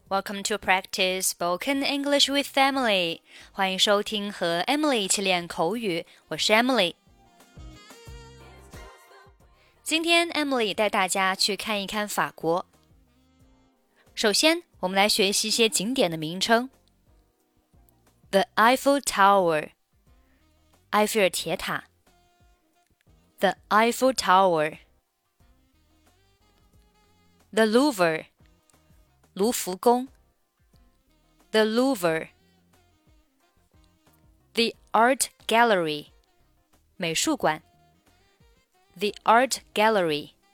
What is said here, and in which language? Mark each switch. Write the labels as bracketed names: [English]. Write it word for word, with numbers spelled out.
[English] Welcome to practice spoken English with Emily. [Chinese] 欢迎收听和 Emily 一起练口语，我是 Emily。今天 Emily 带大家去看一看法国。首先，我们来学习一些景点的名称。 [English] The Eiffel Tower， [Chinese] 埃菲尔铁塔。 [English] The Eiffel Tower。 The Louvre。 [Chinese] 卢浮宫 [English] The Louvre The Art Gallery [Chinese] 美术馆 [English] The Art Gallery